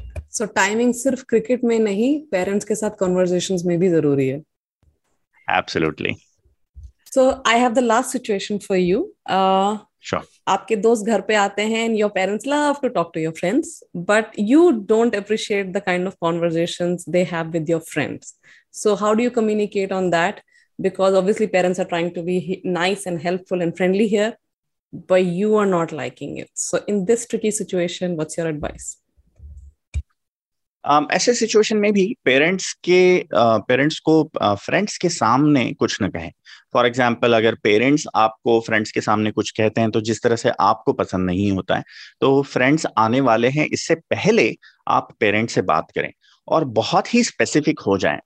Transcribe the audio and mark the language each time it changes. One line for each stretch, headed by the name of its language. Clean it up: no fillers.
Hindi: सो timing सिर्फ cricket में नहीं, पेरेंट्स के साथ कॉन्वर्सेशंस में भी जरूरी है.
English: Absolutely. So I have the last situation for you. Sure.
Hindi: आपके दोस्त घर पे आते हैं
English: And your parents love to talk to your friends, but you don't appreciate the kind of conversations they have with your friends. So how do you communicate on that? Because obviously parents are trying to be nice and helpful and friendly here, but you are not liking it. So in this tricky situation, what's your advice?
Hindi: ऐसे situation में भी parents के parents को friends के सामने कुछ न कहें. फॉर एग्जांपल, अगर पेरेंट्स आपको फ्रेंड्स के सामने कुछ कहते हैं तो जिस तरह से आपको पसंद नहीं होता है, तो फ्रेंड्स आने वाले हैं, इससे पहले आप पेरेंट्स से बात करें और बहुत ही स्पेसिफिक हो जाएं.